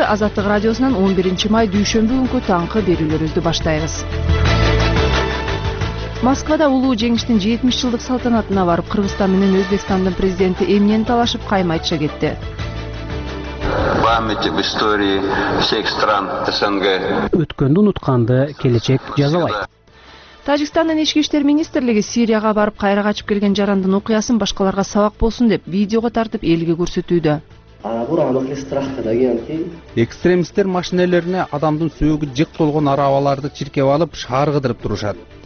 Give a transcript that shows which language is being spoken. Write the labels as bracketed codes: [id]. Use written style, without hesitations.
[ky] Азаттык радиосунан 11 май дүйшөмбү күнкү таңкы берүүлөрүбүздү баштайбыз. Москвада улуу жеңиштин 70 жылдык салтанатына барып, Кыргызстан менен Өзбекстандын президенти эмнени талашып каймайча кетти. [ru] Памяти в истории всех стран СНГ. [ky] Өткөндү унутканды келечек жазалайт. Тажикстандын ички иштер министрлиги Сирияга барып кайра качып келген жарандын окуясын башкаларга сабак болсун деп видеого тартып элге көрсөтүүдө. Экстремисттер машинелерине адамдын сөөгү жык толгон арабаларды чиркеп алып, шаар кыдырып турушат.